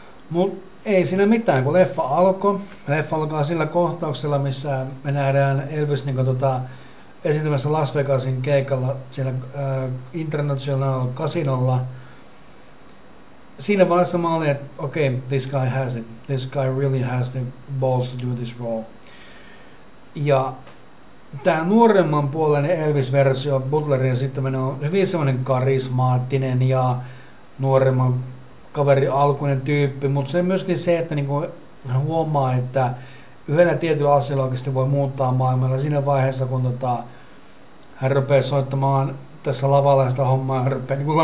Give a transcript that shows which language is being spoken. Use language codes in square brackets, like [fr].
[fi] Mut ei siinä mitään, kun leffa alkoi. Leffa alkaa sillä kohtauksella, missä me nähdään Elvis niin esiintymässä Las Vegasin keikalla siellä International Casinolla. Siinä vaiheessa mä olin, että okei, [en] okay, this guy has it. This guy really has the balls to do this role. [fi] Ja tämä nuoremman puolinen Elvis-versio Butlerin sitten on hyvin semmoinen karismaattinen ja nuoremman kaveri alkuinen tyyppi, mutta se myöskin se, että niinku hän huomaa, että yhdellä tietyllä asialla oikeasti voi muuttaa maailmalla siinä vaiheessa, kun hän rupeaa soittamaan tässä lavalla sitä hommaa, hän rupeaa